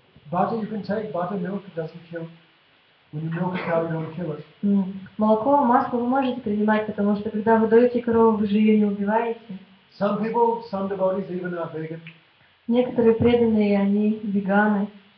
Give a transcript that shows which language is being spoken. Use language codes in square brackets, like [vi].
[en] Butter you can take, butter milk doesn't kill. When you milk a cow, you don't kill it. [ru] Молоко, масло вы можете принимать, потому что когда вы доете корову, вы же ее не убиваете. [en] Some people, some devotees even are vegan. [ru] Некоторые преданные, они веганы.